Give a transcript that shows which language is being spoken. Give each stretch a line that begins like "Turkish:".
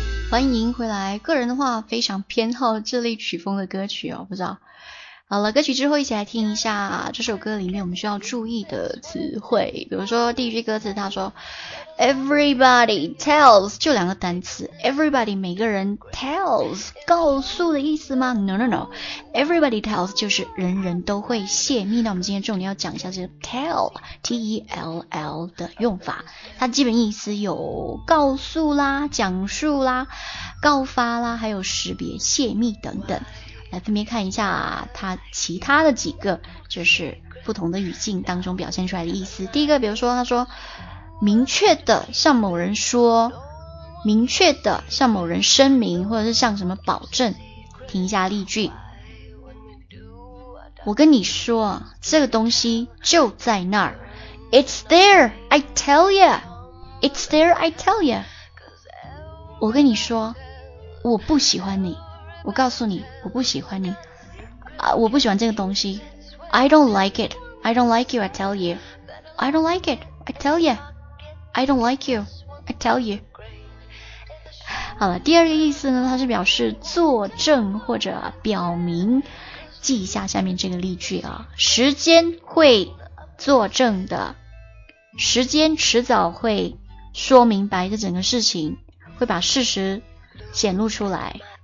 Chinese: 欢迎回来，个人的话非常偏好这类曲风的歌曲哦，不知道。好了，歌曲之后一起来听一下这首歌里面我们需要注意的词汇，比如说第一句歌词他说
English: Everybody tells，
Chinese: 就两个单词 Everybody 每个人 tells 告诉的意思吗？
English: No no no， Everybody tells
Chinese: 就是人人都会泄密。那我们今天重点要讲一下这个 tell T-E-L-L 的用法，它基本意思有告诉啦、讲述啦、告发啦，还有识别、泄密等等。来分别看一下它其他的几个就是不同的语境当中表现出来的意思。第一个比如说他说明确的向某人说，明确的向某人声明，或者是向什么保证。听一下例句，我跟你说，这个东西就在那儿。
English: It's there, I tell ya. It's there, I tell ya.
Chinese: 我跟你说，我不喜欢你。我告诉你，我不喜欢你。我不喜欢这个东西。
English: I don't like it. I don't like you, I tell you. I don't like it, I tell ya. I don't like you, I tell you.
Chinese: 好了，第二个意思呢，它是表示作证或者表明。记一下下面这个例句啊，时间会作证的，时间迟早会说明白这整个事情，会把事实显露出来。